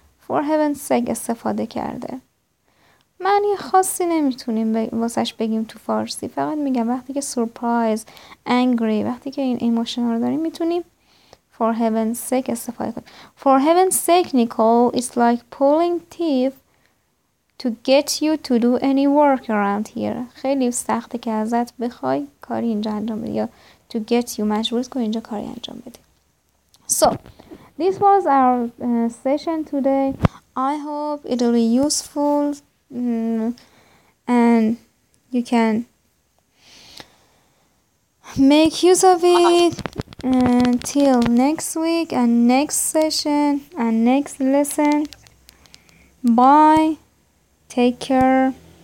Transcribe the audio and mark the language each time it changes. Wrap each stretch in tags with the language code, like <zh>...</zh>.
<en>For heaven's sake</en> <fa>استفاده کرده. معنی خاصی نمیتونیم واسش بگیم تو فارسی. فقط میگم وقتی که surprise, angry, وقتی که این emotion رو داریم میتونیم</fa> <en>for heaven's sake</en> <fa>استفاده کنیم.</fa> <en>For heaven's sake, Nicole, it's like pulling teeth to get you to do any work around here.</en> <fa>خیلی سخته که ازت بخوای کاری اینجا انجام بدی یا</fa> <en>to get you</en> <fa>مجبورت کنی اینجا کاری انجام بدی.</fa> <en>So, this was our session today. I hope it will be useful and you can make use of it till next week and next session and next lesson. Bye. Take care.</en>